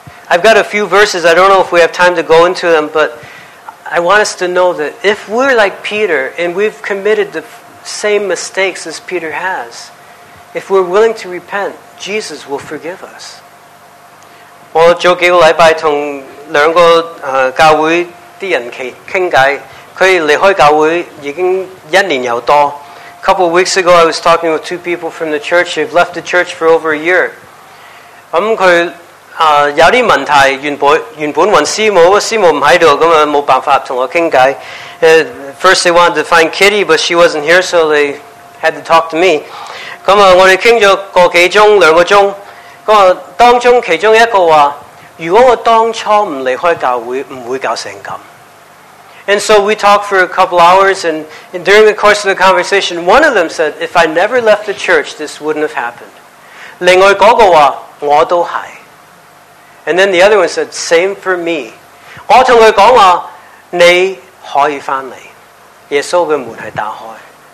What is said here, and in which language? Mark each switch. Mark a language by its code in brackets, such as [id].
[en] I've got a few verses, I don't know if we have time to go into them, but I want us to know that if we're like Peter and we've committed the same mistakes as Peter has, if we're willing to repent, Jesus will forgive us. [yue] 我早几个礼拜同两个教会的人倾偈，他们离开教会已经一年有多。 [en] A couple of weeks ago, I was talking with two people from the church who have left the church for over a year. [yue] 咁佢有啲问题，原本揾师母，师母唔喺度，咁啊冇办法同我倾偈。 [en] First, they wanted to find Kitty, but she wasn't here, so they had to talk to me. [yue] 咁啊，我哋倾咗个几钟，两个钟。咁啊，当中其中一个话：如果我当初唔离开教会，唔会搞成咁。 [en] And so we talked for a couple hours, and during the course of the conversation, one of them said, "If I never left the church, this wouldn't have happened." [yue] 另外嗰个话：我都系。 [en] And then the other one said, "Same for me." [yue] 我同佢讲话：你可以翻嚟，耶稣嘅门系打开。